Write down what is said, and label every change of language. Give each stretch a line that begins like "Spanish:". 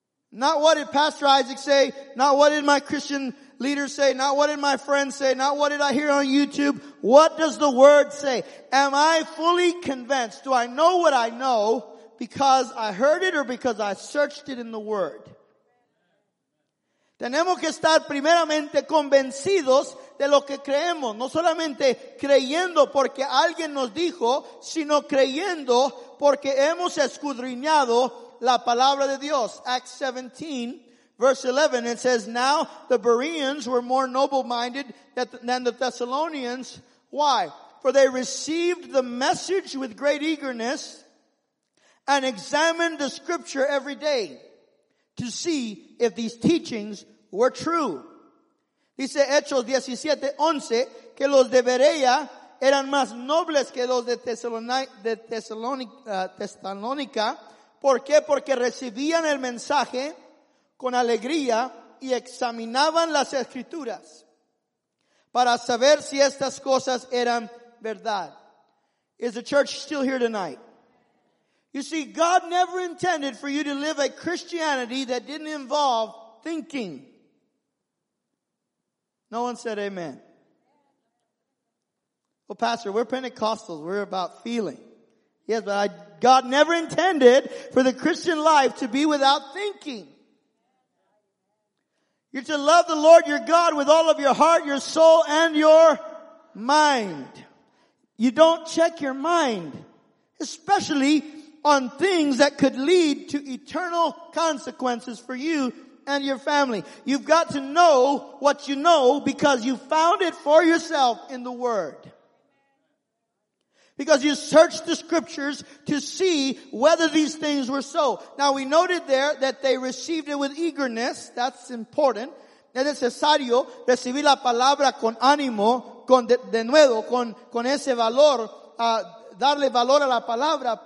English: Not what did Pastor Isaac say, not what did my Christian leaders say, not what did my friends say, not what did I hear on YouTube. What does the Word say? Am I fully convinced? Do I know what I know because I heard it or because I searched it in the Word?
Spanish: Tenemos que estar primeramente convencidos de lo que creemos. No solamente creyendo porque alguien nos dijo, sino creyendo porque hemos escudriñado la palabra de Dios.
English: Acts 17, verse 11, it says, now the Bereans were more noble-minded than the Thessalonians. Why? For they received the message with great eagerness and examined the scripture every day to see if these teachings were true.
Spanish: Dice Hechos 17, 11, que los de Berea eran más nobles que los de Tesalónica. ¿Por qué? Porque recibían el mensaje con alegría y examinaban las escrituras para saber si estas cosas eran verdad.
English: Is the church still here tonight? You see, God never intended for you to live a Christianity that didn't involve thinking. No one said amen. Well, Pastor, we're Pentecostals. We're about feeling. Yes, but God never intended for the Christian life to be without thinking. You're to love the Lord your God with all of your heart, your soul, and your mind. You don't check your mind, especially on things that could lead to eternal consequences for you and your family. You've got to know what you know because you found it for yourself in the Word. Because you searched the scriptures to see whether these things were so. Now we noted there that they received it with eagerness. That's important.
Spanish: Es necesario recibir la palabra con ánimo, con de nuevo, con ese valor, darle valor a la palabra.